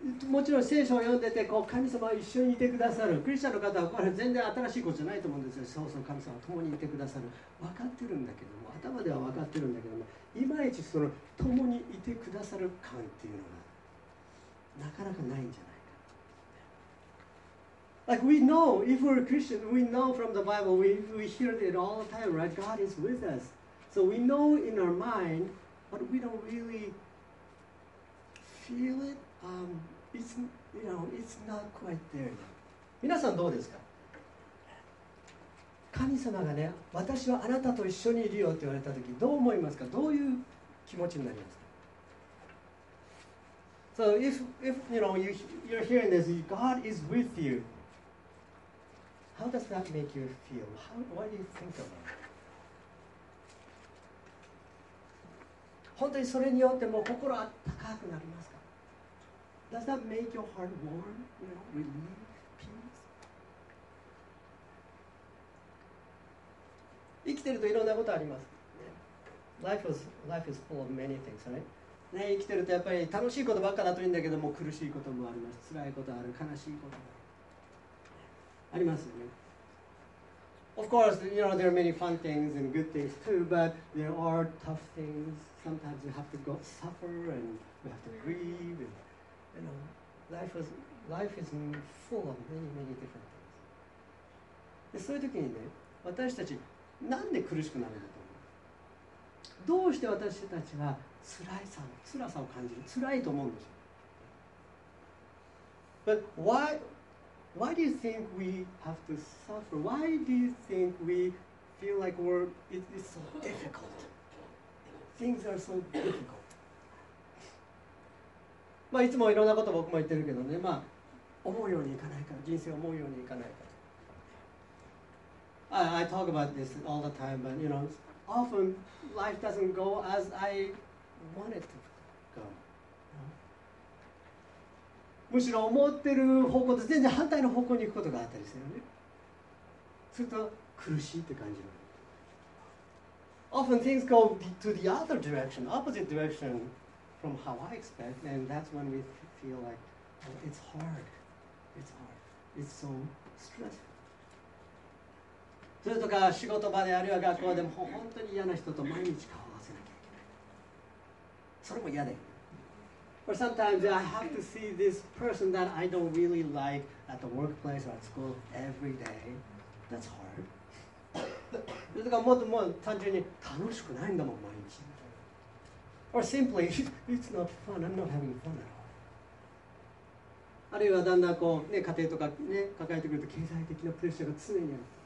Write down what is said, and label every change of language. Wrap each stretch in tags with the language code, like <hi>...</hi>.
<ja>もちろん聖書を読んでてこう神様は一緒にいてくださる、クリスチャンの方はこれ全然新しいことじゃないと思うんですよ。そうそう、神様は共にいてくださる、分かってるんだけども、頭では分かってるんだけども、いまいちその共にいてくださる感っていうのがなかなかないんじゃない。</ja> <en>Like we know, if we're a Christian, we know from the Bible, we hear it all the time, right? God is with us. So we know in our mind, but we don't really feel it. It's, you know, it's not quite there.</en> <ja>皆さんどうですか？神様がね、私はあなたと一緒にいるよって言われた時、どう思いますか？どういう気持ちになりますか？</ja> <en>So if you know, you're hearing this, God is with you. How does that make you feel? What do you think about it?</en> <ja>本当にそれによってもう心あったかくなりますか?</ja> <en>Does that make your heart warm, you know, relief, peace?</en> <ja>生きてるといろんなことあります。</ja> <en>Life is full of many things, right?</en> <ja>ね、生きてるとやっぱり楽しいことばっかだといいんだけども、苦しいこともあります。辛いことある、悲しいこともありますよね。</ja> <en>Of course, you know, there are many fun things and good things too, but there are tough things. Sometimes you have to go suffer and we have to grieve. And, you know, life is full of many, many different things.</en> <ja>で、そういう時にね、私たち、なんで苦しくなるんだと思う？どうして私たちは辛さを感じる？辛いと思うんでしょう。</ja> <en>But why do you think we have to suffer? Why do you think we feel like it's so difficult? Things are so difficult.</en> <ja>まあいつもいろんなこと僕も言ってるけどね、まあ思うようにいかないから、人生思うようにいかないから。</ja> <en>I talk about this all the time, but you know, often life doesn't go as I want it to go.</en> <ja>むしろ思ってる方向と全然反対の方向に行くことがあったりするよね。すると苦しいって感じる。</ja> <en>Often things go to the other direction, opposite direction from how I expect, and that's when we feel like it's hard. It's hard. It's so stressful.</en> <ja>それとか仕事場であるいは学校でも本当に嫌な人と毎日顔を合わせなきゃいけない。それも嫌だよ。</ja> <en>Or sometimes I have to see this person that I don't really like at the workplace or at school every day. That's hard.</en> <ja>それとかもっともっと単純に楽しくないんだもん毎日。</ja> <en>Or simply, it's not fun. I'm not having fun at all.</en> <ja>あるいはだんだんこうね、家庭とかね、抱えてくると経済的なプレッシャーが常にある。</ja>